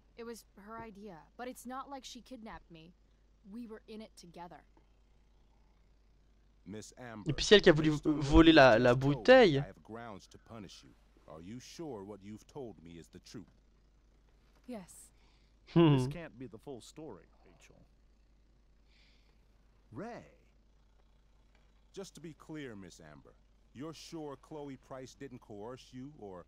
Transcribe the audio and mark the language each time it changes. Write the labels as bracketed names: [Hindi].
[English] It was her idea, but it's not like she kidnapped me. We were in it together. Miss Amber. [French] Et puis elle qui a voulu voler la bouteille. [English] I have grounds to punish you. Are you sure what you've told me is the truth? Yes. This can't be the full story, Rachel. Ray. Just to be clear, Miss Amber, you're sure Chloe Price didn't coerce you or